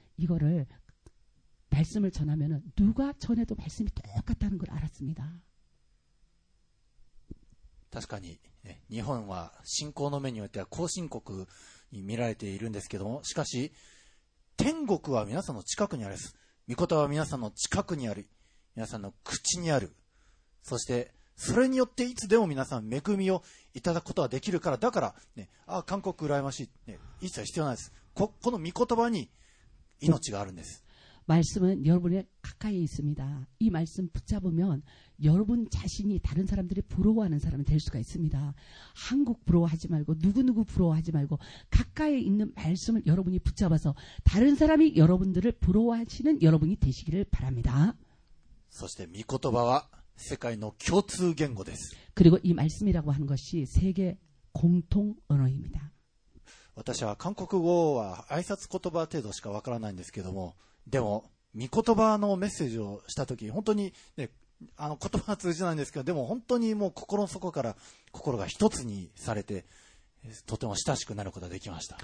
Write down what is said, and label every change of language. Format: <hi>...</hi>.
<ko>이거를말씀을전하면누가전해도말씀이똑같다는걸알았습니다</ko> <ja>確かに、ね、日本は信仰の面によっては後進国に見られているんですけども、しかし、天国は皆さんの近くにあるです。御言葉は皆さんの近くにある。皆さんの口にある。そして、それによっていつでも皆さん恵みをいただくことができるから、だから、ね、ああ、韓国羨ましい、ね。一切必要ないです。この御言葉に命があるんです。</ja> <ko>말씀은여러분에가까이있습니다이말씀붙잡으면여러분자신이다른사람들이부러워하는사람이될수가있습니다한국부러워하지말고누구누구부러워하지말고가까이있는말씀을여러분이붙잡아서다른사람이여러분들을부러워하시는여러분이되시기를바랍니다</ko> <ja>そして御言葉は世界の共通言語です</ja> <ko>그리고이말씀이라고하는것이세계공통언어입니다</ko> <ja>私は韓국語は挨拶言葉程度しかわからないんですけどもでも御言葉のメッセージをしたとき本当に、ね、あの言葉は通じないんですけどでも本当にもう心の底から心が一つにされてとても親しくなることができました</ja>